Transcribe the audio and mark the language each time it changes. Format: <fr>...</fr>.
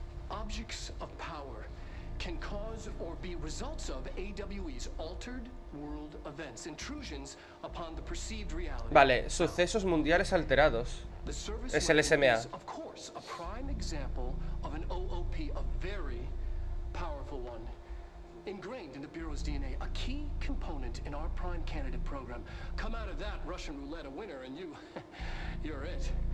<en>Objects of power can cause or be results of AWE's altered world events, intrusions upon the perceived reality.</en> <es>Vale, sucesos mundiales alterados. Es el SMA.</es> <en>Of course, a prime example of an OOP, a very powerful one, ingrained in the bureau's DNA, a key component in our prime candidate program. Come out of that Russian roulette a winner and you you're it.</en>